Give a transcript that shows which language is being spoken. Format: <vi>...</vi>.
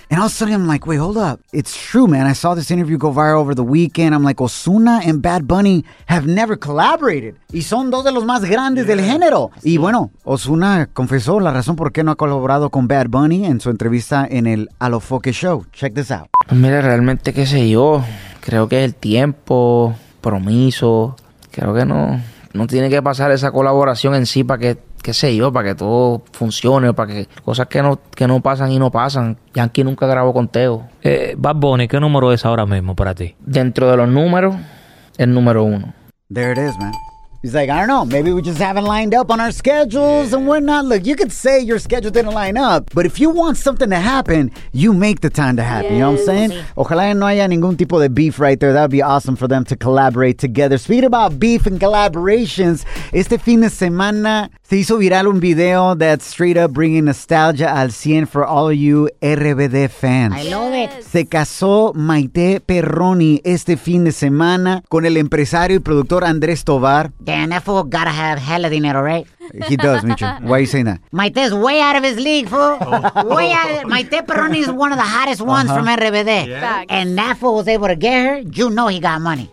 <en>And all of a sudden, I'm like, wait, hold up. It's true, man. I saw this interview go viral over the weekend. I'm like, Ozuna and Bad Bunny have never collaborated.</en> <es>Y son dos de los más grandes del género. Y bueno, Ozuna confesó la razón por qué no ha colaborado con Bad Bunny en su entrevista en el A Lo Foque Show.</es> <en>Check this out.</en> <es>Pues mira, realmente, qué sé yo. Creo que es el tiempo, compromiso. Creo que no... No tiene que pasar esa colaboración en sí para que, qué sé yo, para que todo funcione, para que cosas que no pasan y no pasan. Yankee nunca grabó con Teo. Bad Bunny, ¿qué número es ahora mismo para ti? Dentro de los números, el número uno.</es> <en>There it is, man. He's like, I don't know, maybe we just haven't lined up on our schedules and whatnot. Look, you could say your schedule didn't line up, but if you want something to happen, you make the time to happen. Yes. You know what I'm saying?</en> <es>Ojalá no haya ningún tipo de</es> <en>beef right there. That would be awesome for them to collaborate together. Speaking about beef and collaborations,</en> <es>este fin de semana se hizo viral un video</es> <en>that's straight up bringing nostalgia</en> <es>al 100</es> <en>for all of you RBD fans. I love it.</en> <es>Se casó Maite Perroni este fin de semana con el empresario y productor Andrés Tovar.</es> <en>Damn, that fool gotta have hella dinero, right? He does, Micho. Why are you saying that? Maite's way out of his league, fool. Way out of it. Maite Perroni is one of the hottest ones from RBD. Yeah. And that fool was able to get her, you know he got money.</en>